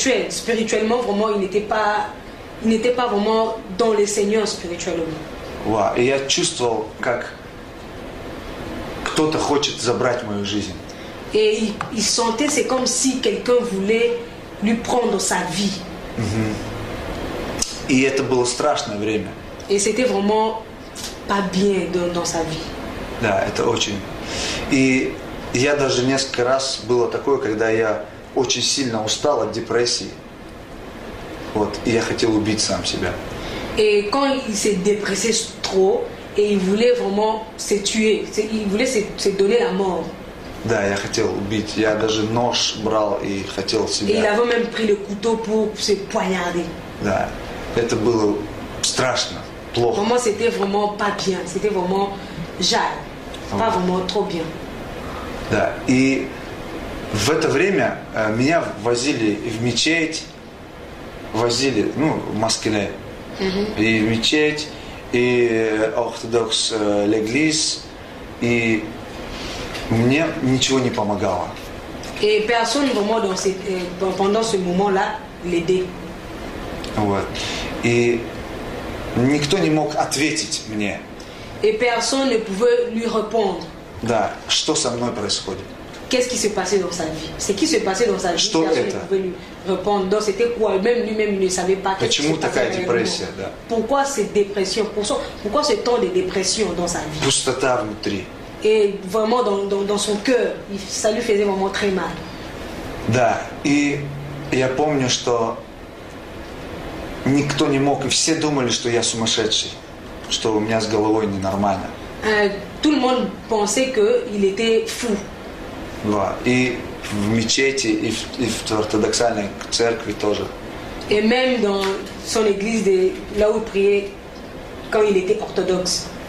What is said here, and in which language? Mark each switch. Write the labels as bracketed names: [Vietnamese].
[French] Spirituellement vraiment il n'était pas vraiment dans le Seigneur spirituellement. Ouais, et [Russian] я чувствовал, как кто-то хочет забрать мою жизнь. [French] Et il sentait, c'est comme si quelqu'un voulait lui prendre sa vie. [Russian] И это было страшное время. [French] Et c'était vraiment pas bien dans sa vie. [Russian] Да, это очень. И я даже несколько раз было такое, когда я очень сильно устал от депрессии. Вот, и я хотел убить сам себя. [French] Et quand il s'est dépressé trop, et il voulait vraiment se tuer, il voulait se donner la mort. [Russian] Да, я хотел убить. Я даже нож брал и хотел себя. [French] Et il avait même pris le couteau pour se poignarder. [Russian] Да, это было страшно, плохо. [French] Vraiment, c'était vraiment pas bien. C'était vraiment jale. Pas vraiment trop bien. [Russian] Да, и в это время меня возили в мечеть, возили, ну, в Москве, и в мечеть. И ортодокс леглис, и мне ничего не помогало. И [French] personne vraiment pendant ce moment-là l'aidait. [Russian] Вот. И никто не мог ответить мне. И [French] personne ne pouvait lui répondre. [Russian] Да, что со мной происходит? [French] Qu'est-ce qui s'est passé dans sa vie? C'est qui s'est passé dans sa vie? [Russian] Что это? [French] Répondre. Donc c'était quoi? Même lui-même ne savait pas. [Russian] Почему такая депрессия? Да. [French] Pourquoi cette dépression? Pourquoi ce temps de dépression dans sa vie? [Russian] Пустота внутри. [French] Et vraiment dans son cœur, ça lui faisait vraiment très mal. [Russian] Да. И я помню, что никто не мог, все думали, что я сумасшедший, что у меня с головой ненормально. [French] Tout le monde pensait que il était fou. [Russian] Да. И в мечети, и в ортодоксальной церкви тоже. [French] Et même dans son église de là où il priait quand il était orthodoxe.